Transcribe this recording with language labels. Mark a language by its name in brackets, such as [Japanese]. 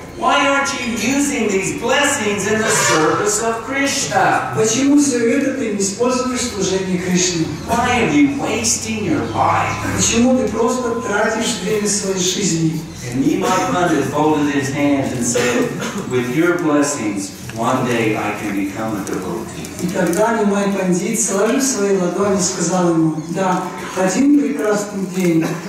[English] Why aren't you using these blessings in the service of Krishna? [Russian] Почему все это ты не используешь в служении Кришне? [English] Why are you wasting your life? [Russian] Почему ты просто тратишь время своей жизни? [English] And Nimai Pandit folded his hands and said, with your blessings, one day I can become a devotee. [Russian] И тогда Нимай Пандит сложил свои ладони и сказал ему, да, один прекрасный день